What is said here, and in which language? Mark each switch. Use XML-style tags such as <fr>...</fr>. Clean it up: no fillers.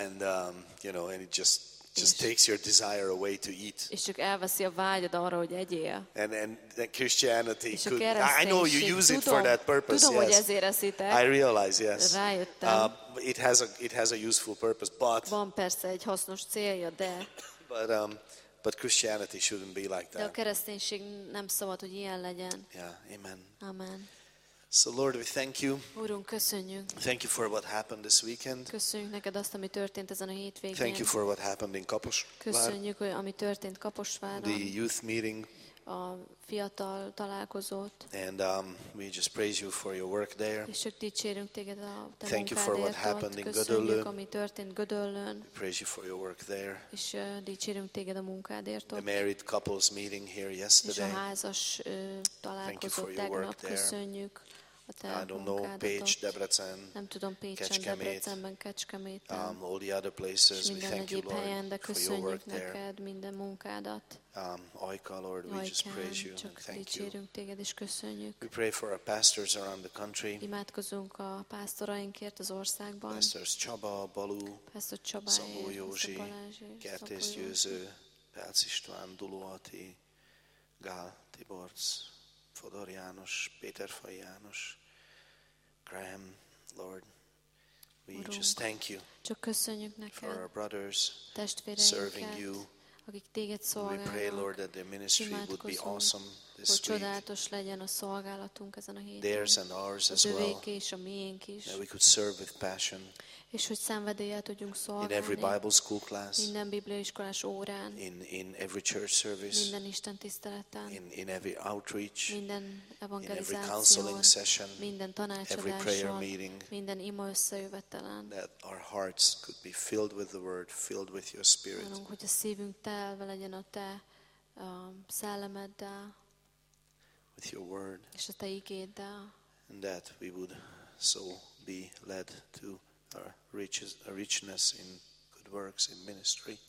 <en>And you know, and it just takes your desire away to eat.</en> <hu>És csak elveszi a vágyad arra, hogy egyél.</hu> <en>And Christianity could. I know you use it for that purpose.</en> <hu>Tudom,</hu> <en>yes.</en> <hu>Hogy ezért eszitek.</hu> <en>I realize, yes.</en> <hu>Rájöttem.</hu> <en>It has a useful purpose, but.</en> <hu>Van persze egy hasznos célja, de.</hu> <en>But Christianity shouldn't be like that.</en> <hu>De a kereszténység nem szabad, hogy ilyen legyen.</hu> <en>Yeah, amen. Amen. So Lord, we thank you.</en> <hu>Úrunk, köszönjük.</hu> <en>Thank you for what happened this weekend.</en> <hu>Köszönjük neked azt, ami történt ezen a hétvégén.</hu> <en>Thank you for what happened in Kaposvár.</en> <hu>Köszönjük, hogy ami történt Kaposváron.</hu> <en>The youth meeting.</en> <hu>A fiatal találkozót.</hu> <en>And we just praise you for your work there.</en> <hu>És csak dicsérünk téged a te.</hu> <en>Thank you for what happened in Gödöllő.</en> <hu>Ami történt Gödöllőn.</hu> <en>We praise you for your work there.</en> <hu>És dicsérünk téged a munkádért.</hu> <en>The married couples meeting here yesterday.</en> <hu>És a házas találkozót tegnap. Köszönjük a te munkádat.</hu> <en>I don't know Pécs, Debrecen.</en> <hu>Nem tudom Pécsen, Debrecenben, Kecskeméten.</hu> <en>All the other places. We thank you, Lord,</en> <hu>helyen, de köszönjük</hu> <en>for your work</en> <hu>neked</hu> <en>there.</en> <hu>Minden munkádat.</hu> <en>Ajka, Lord, we just praise you and thank you.</en> <hu>Téged, és köszönjük.</hu> <en>We pray for our pastors around the country.</en> <hu>Imádkozunk a pásztorainkért az országban.</hu> <en>Pastors Csaba, Balú,</en> <hu>Pásztor Csabáé,</hu> <en>Szabó Józsi, Kertész Győző, Pelc István, Duló Ati, Gál Tiborcs, Fodor János, Péter Fai János, Graham, Lord, we</en> <hu>Urunk,</hu> <en>just thank you.</en> <hu>Csak köszönjük neked.</hu> <en>For our brothers serving you.</en> <hu>Akik téged szolgálnak.</hu> <en>We pray, Lord, that their ministry would be awesome this week.</en> <hu>Hogy csodálatos legyen a szolgálatunk ezen a héten.</hu> <en>Theirs and ours as</en> <hu>well. És a miénk is.</hu> <en>That we could serve with passion.</en> <hu>És hogy szenvedéllyel tudjunk szolgálni.</hu> <en>In every Bible school class.</en> <hu>Minden bibliaiskolás órán.</hu> <en>In every church service.</en> <hu>Minden Isten tiszteleten.</hu> <en>In every outreach.</en> <hu>Minden evangelizáció.</hu> <en>In every counseling session.</en> <hu>Minden tanácsadáson.</hu> <en>Every prayer meeting.</en> <hu>Minden ima összejövetelen.</hu> <en>That our hearts could be filled with the word, filled with your spirit.</en> <hu>Mondunk, hogy a szívünk telve legyen a te szellemeddel.</hu> <en>With your word.</en> <hu>És a te igéddel.</hu> <en>And that we would so be led to a richness in good works, in ministry.</en>